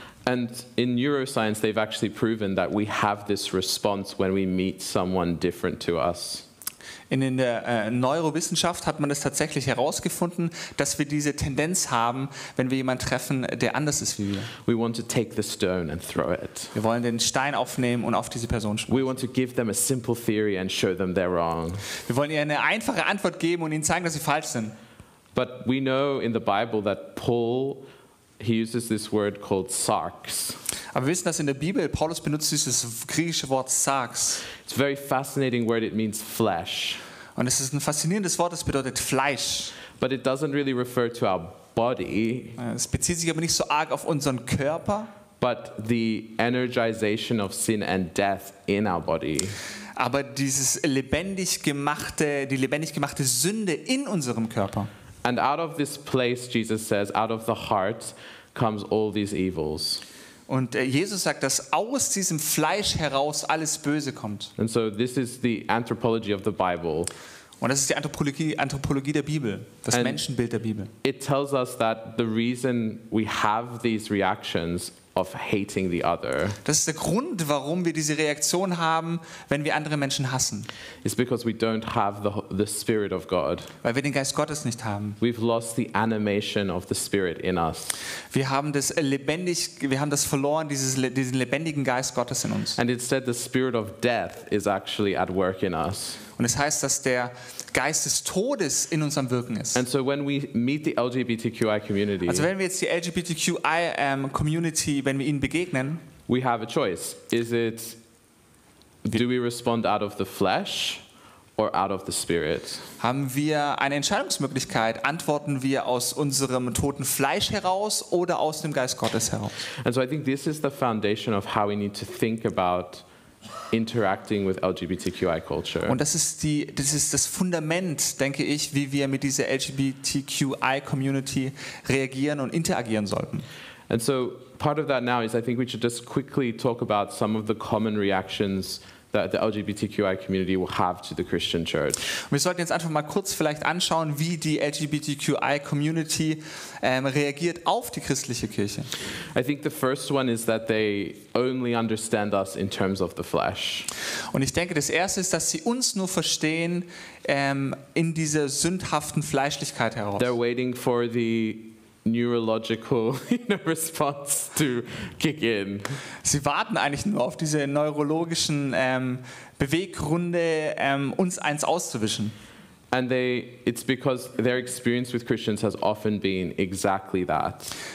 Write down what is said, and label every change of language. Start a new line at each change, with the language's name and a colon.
English: And in neuroscience, they've actually proven that we have this response when we meet someone different to us.
German: In der Neurowissenschaft hat man es tatsächlich herausgefunden, dass wir diese Tendenz haben, wenn wir jemanden treffen, der anders ist wie wir.
English: We want to take the stone and throw it.
German: Wir wollen den Stein aufnehmen und auf diese Person schmeißen.
English: We want to give them a simple theory and show them they're wrong.
German: Wir wollen ihr eine einfache Antwort geben und ihnen zeigen, dass sie falsch sind.
English: But we know in the Bible that Paul, he uses this word called sarx.
German: Aber wir wissen, dass in der Bibel Paulus benutzt dieses griechische Wort sarx.
English: It's a very fascinating word. It means flesh.
German: Und es ist ein faszinierendes Wort. Es bedeutet Fleisch.
English: But it doesn't really refer to our body.
German: Es bezieht sich aber nicht so arg auf unseren Körper.
English: But the energization of sin and death in our body.
German: Aber dieses lebendig gemachte, die lebendig gemachte Sünde in unserem Körper.
English: And out of this place, Jesus says, out of the heart comes all these evils.
German: Und Jesus sagt, dass aus diesem Fleisch heraus alles Böse kommt.
English: And so this is the anthropology of the Bible.
German: Und das ist die Anthropologie der Bibel, das
English: And
German: Menschenbild der Bibel.
English: It tells us that the reason we have these reactions of hating the other.
German: Das ist der Grund, warum wir diese Reaktion haben, wenn wir andere Menschen hassen.
English: It's because we don't have the spirit of God.
German: Weil wir den Geist Gottes nicht haben.
English: We've lost the animation of the spirit in us.
German: Wir haben das verloren, diesen lebendigen Geist Gottes in uns.
English: And instead the spirit of death is actually at work in us.
German: Und es heißt, dass der Geist des Todes in uns am Wirken ist.
English: And so when we meet the LGBTQI community,
German: also wenn wir jetzt die LGBTQI Community, wenn wir ihnen begegnen,
English: we have a choice. Is it, do we respond out of the flesh or out of the spirit?
German: Haben wir eine Entscheidungsmöglichkeit? Antworten wir aus unserem toten Fleisch heraus oder aus dem Geist Gottes heraus?
English: And so I think this is the foundation of how we need to think about interacting with LGBTQI culture.
German: Und das ist das Fundament, denke ich, wie wir mit dieser LGBTQI Community reagieren und interagieren sollten.
English: And so part of that now is I think we should just quickly talk about some of the common reactions that the LGBTQI community will have to the Christian church.
German: Wir sollten jetzt einfach mal kurz vielleicht anschauen, wie die LGBTQI Community reagiert auf die christliche Kirche.
English: I think the first one is that they only understand us in terms of the flesh.
German: Und ich denke, das erste ist, dass sie uns nur verstehen in dieser sündhaften Fleischlichkeit heraus.
English: They're waiting for the neurological response to kick in.
German: Sie warten eigentlich nur auf diese neurologischen Beweggründe, uns eins auszuwischen.
English: And it's because their experience with Christians has often been exactly that.